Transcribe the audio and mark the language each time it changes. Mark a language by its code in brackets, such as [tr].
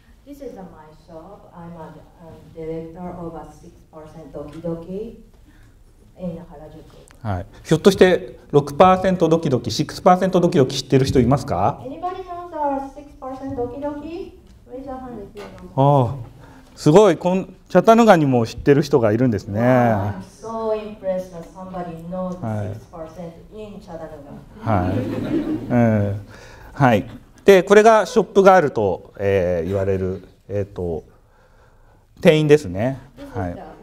[ja] ひょっとして 6% ドキドキ、 6% ドキドキ知ってる人いますか？ [en] Anybody knows 6% ドキドキ？Raise your hand if you know。 [ja] すごい、チャタヌガにも知ってる人がいるんですね。 [en] I'm so impressed that somebody knows 6% in チャタヌガ。 [ja] はい、はい、でこれがショップがあると、言われる、店員ですね。はい。